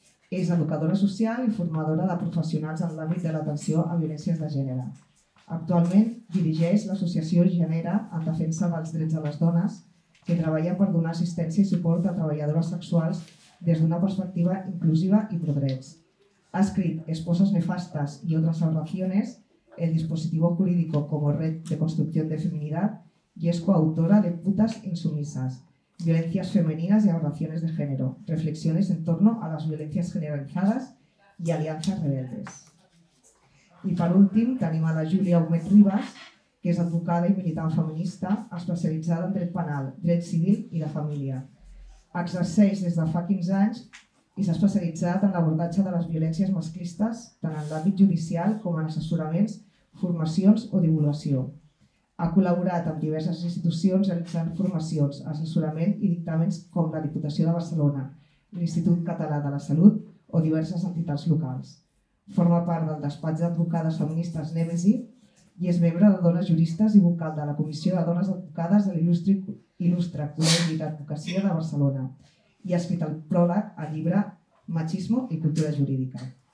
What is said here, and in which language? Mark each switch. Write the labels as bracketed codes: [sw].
[ca] És educadora social i formadora de professionals en l'àmbit de l'atenció a violències de gènere. Actualment dirigeix l'associació Genera en defensa dels drets de les dones, que treballa per donar assistència i suport a treballadores sexuals des d'una perspectiva inclusiva i pro drets. Ha escrit Esposas nefastas i otras aberraciones, El dispositivo jurídico como red de construcción de feminidad i és coautora de Putas insumisas, Violencias femeninas y aberraciones de género, reflexiones en torno a las violencias generalizadas y alianzas rebeldes. [es] Y por último, tenemos a la Julia Humet Rivas, que es advocada y militante feminista, especializada en derecho penal, derecho civil y la familia. Exerceix desde hace 15 años y se ha especializado en el abordaje de las violencias masclistas, tanto en el ámbito judicial como en asesoramientos, formaciones o divulgación. [ca] Ha col·laborat amb diverses institucions realitzant formacions, assessorament i dictàmens com la Diputació de Barcelona, l'Institut Català de la Salut o diverses entitats locals. Forma part del despatx d'advocades feministes Nèmesi i és membre de Dones Juristes i vocal de la Comissió de Dones Advocades de l'Il·lustre Col·legi d'Advocacia de Barcelona i ha escrit el pròleg al llibre Machismo i cultura jurídica.